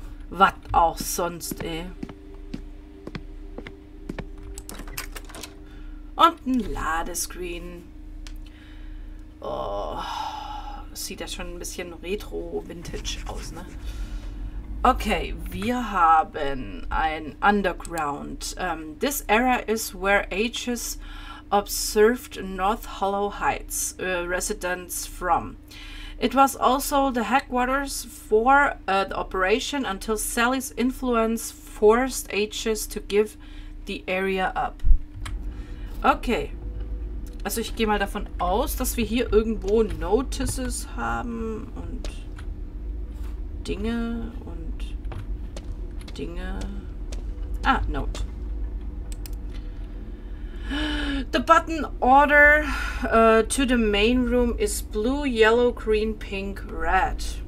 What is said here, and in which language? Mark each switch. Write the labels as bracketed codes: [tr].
[de] Was auch sonst, ey. Und ein Ladescreen. Oh, sieht ja schon ein bisschen Retro-Vintage aus, ne? Okay, wir haben ein Underground. [en] This area is where ages observed North Hollow Heights residents from. It was also the headquarters for the operation until Sally's influence forced ages to give the area up. [de] Okay, also ich gehe mal davon aus, dass wir hier irgendwo Notices haben und Dinge und Dinge. Ah, Note. [en] The button order to the main room is blue, yellow, green, pink, red.